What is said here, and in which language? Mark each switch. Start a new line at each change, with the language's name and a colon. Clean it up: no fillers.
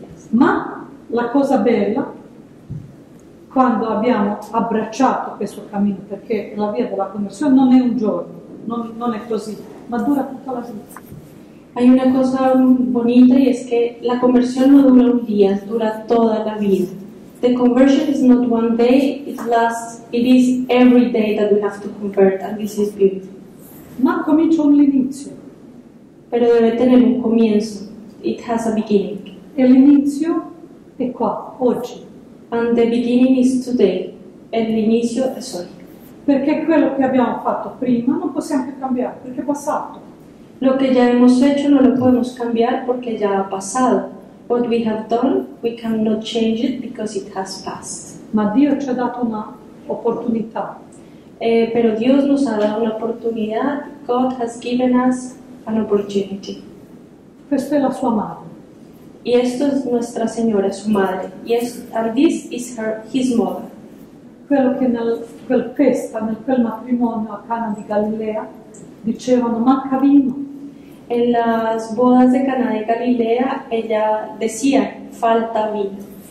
Italian: Ma la cosa bella quando abbiamo abbracciato questo cammino, perché la via della conversione non è un giorno, non è così, ma dura tutta la vita.
Spanish: Hay una cosa bonita y es que la conversión no dura un día, dura toda la vida.
English: The conversion is not one day, it is every day that we have to convert, and this is beautiful.
Italian: Ma comincia un inizio.
Spanish: Pero debe tener un comienzo.
English: It has a beginning.
Italian: E l'inizio è qua, oggi.
English: And the beginning is today.
Italian: E l'inizio è oggi. Perché quello che abbiamo fatto prima non possiamo più cambiare, perché è passato. Lo che già abbiamo fatto non lo possiamo cambiare perché è già passato.
English: What we have done, we cannot change it because it has passed.
Italian: Ma Dio ci ha dato una opportunità.
Spanish: Pero Dios nos ha dado una oportunidad.
English: God has given us an opportunity.
Italian: Questa è la sua madre.
Spanish: Y esto es nuestra Señora, su madre.
English: Yes, and this is her, his mother.
Italian: Quello che nel quel matrimonio a Cana di Galilea dicevano manca vino.
Spanish: En las bodas de Cana de Galilea ella decía falta vino.